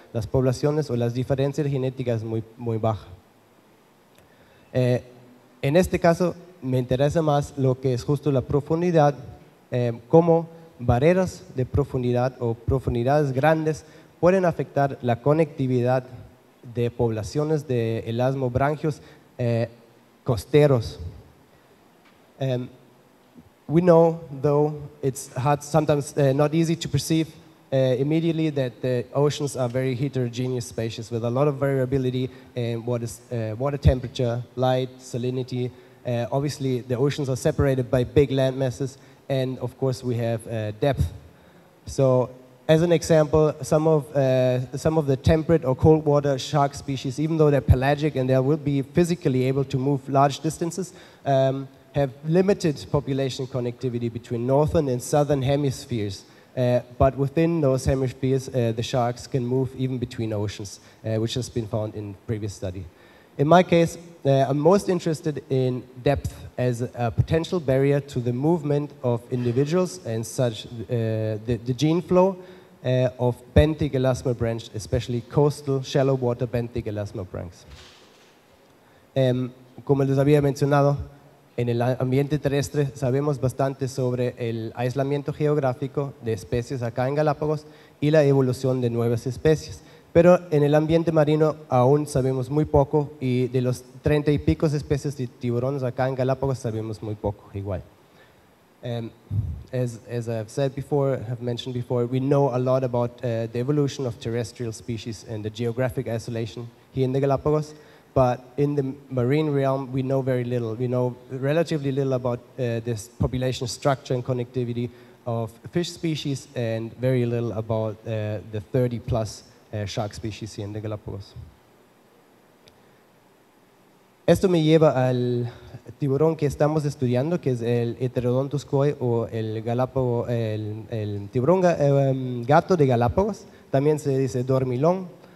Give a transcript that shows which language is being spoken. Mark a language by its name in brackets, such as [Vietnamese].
[Spanish] Las poblaciones o las diferencias genéticas muy, muy baja. En este caso, me interesa más lo que es justo la profundidad, cómo barreras de profundidad o profundidades grandes pueden afectar la conectividad de poblaciones de elasmobranquios costeros. [English] We know, though it's hard, sometimes not easy to perceive immediately, that the oceans are very heterogeneous spaces with a lot of variability in what is water temperature, light, salinity. Obviously, the oceans are separated by big land masses, and of course, we have depth. So, as an example, some of the temperate or cold water shark species, even though they're pelagic and they will be physically able to move large distances, have limited population connectivity between northern and southern hemispheres. But within those hemispheres, the sharks can move even between oceans, which has been found in previous study. In my case, I'm most interested in depth as a potential barrier to the movement of individuals and such the gene flow of benthic elasmobranchs, especially coastal, shallow water benthic elasmobranchs. [Spanish] Como les había mencionado, en el ambiente terrestre sabemos bastante sobre el aislamiento geográfico de especies acá en Galápagos y la evolución de nuevas especies. Pero en el ambiente marino aún sabemos muy poco, y de los 30 y pico especies de tiburones acá en Galápagos sabemos muy poco igual. [English] As I've said before, have mentioned before, we know a lot about the evolution of terrestrial species and the geographic isolation here in the Galapagos, but in the marine realm, we know very little. We know relatively little about this population structure and connectivity of fish species, and very little about the 30-plus shark species here in the Galapagos. [Spanish] Esto me lleva al tiburón que estamos estudiando, que es el Heterodontus koi, o el tiburón gato de Galápagos, también se dice dormilón.